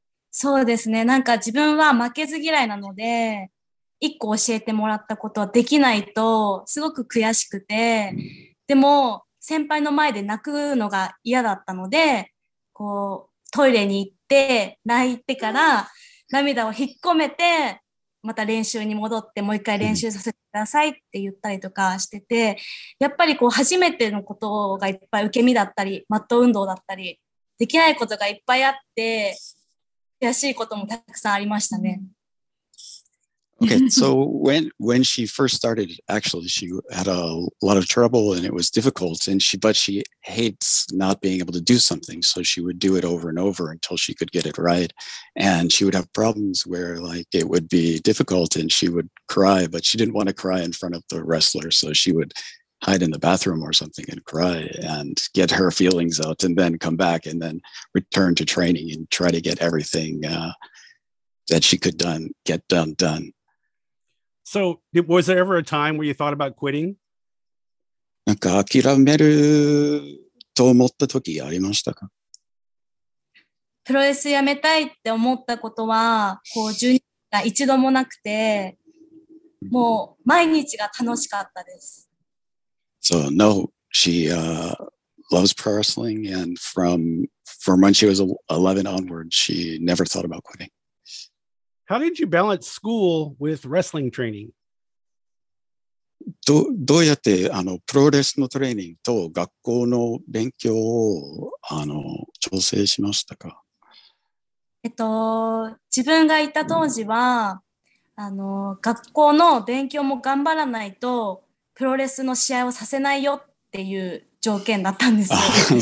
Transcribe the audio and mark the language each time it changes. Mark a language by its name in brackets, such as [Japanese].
[Japanese] そうですね。なんか自分は負けず嫌いなので、一個教えてもらったことはできないとすごく悔しくて、でも先輩の前で泣くのが嫌だったので、こうトイレに行って泣いてから涙を引っ込めて、また練習に戻ってもう一回練習させてくださいって言ったりとかしてて、やっぱりこう初めてのことがいっぱい受け身だったりマット運動だったりできないことがいっぱいあって、悔しいこともたくさんありましたね。 [English] Okay, so when she first started, actually she had a lot of trouble and it was difficult, and she hates not being able to do something, so she would do it over and over until she could get it right. And she would have problems where like it would be difficult and she would cry, but she didn't want to cry in front of the wrestler, so she would hide in the bathroom or something and cry and get her feelings out and then come back and then return to training and try to get everything that she could get done. So was there ever a time where you thought about quitting? [Japanese] なんか諦めると思った時ありましたか？プロレスやめたいって思ったことは、こう、12年が一度もなくて、もう毎日が楽しかったです。 [English] So, no, she loves pro wrestling, and from when she was 11 onward, she never thought about quitting. How did you balance school with wrestling training? [Japanese] どうやってプロレスのトレーニングと学校の勉強を調整しましたか？自分がいた当時は、学校の勉強も頑張らないとプロレスの試合をさせないよっていう条件だったんですよ。